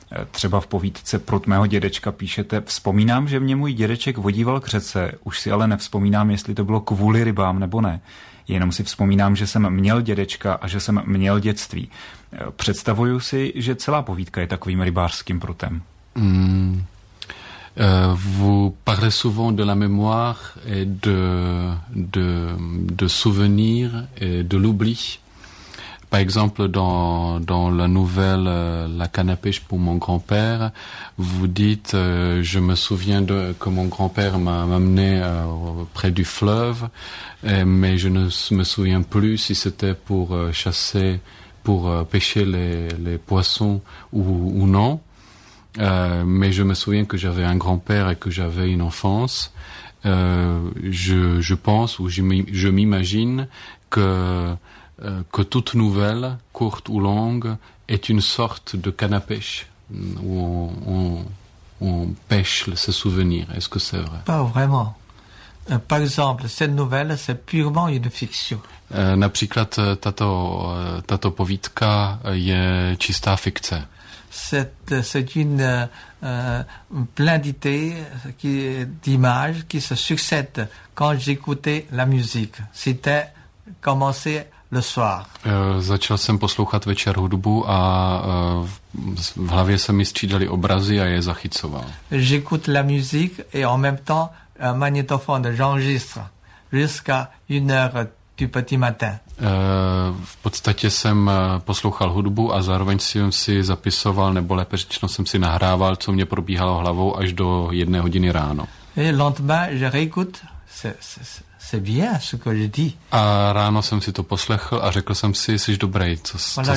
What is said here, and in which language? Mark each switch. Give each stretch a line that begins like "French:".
Czech: Třeba v povídce Prut mého dědečka píšete: vzpomínám, že mě můj dědeček vodíval k řece, už si ale nevzpomínám, jestli to bylo kvůli rybám nebo ne. Jenom si vzpomínám, že jsem měl dědečka a že jsem měl dětství. Představuju si, že celá povídka je takovým rybářským prutem.
French: Vous parlez souvent de la mémoire et de souvenirs et de l'oubli. Par exemple, dans la nouvelle La canapèche pour mon grand-père, vous dites je me souviens de que mon grand-père m'a amené près du fleuve, mais je ne me souviens plus si c'était pour chasser, pour pêcher les poissons ou non. Mais je me souviens que j'avais un grand-père et que j'avais une enfance. Je pense ou je m'imagine que toute nouvelle, courte ou longue, est une sorte de canne à pêche où on pêche ses souvenirs. Est-ce que c'est vrai? Pas vraiment. Par exemple, cette nouvelle, c'est purement une fiction.
Czech: Například tato povídka je čistá fikce.
French: C'est une plein d'idées qui d'images qui se succèdent quand j'écoutais la musique. C'était commencé le soir.
Czech: Začal jsem poslouchat večer hudbu a v hlavě se mi střídali obrazy a je zachycoval.
French: J'écoute la musique et en même temps un magnétophone, j'enregistre jusqu'à 1h du petit matin.
Czech: V podstatě jsem poslouchal hudbu a zároveň jsem si zapisoval, nebo lépe řečeno jsem si nahrával, co mě probíhalo hlavou až do 1 hodiny ráno.
French: Et lendemain, je réécoute, c'est bien ce que je dis.
Czech: A ráno jsem si to poslechl a řekl jsem si, jsi dobrý, co jsi napsal.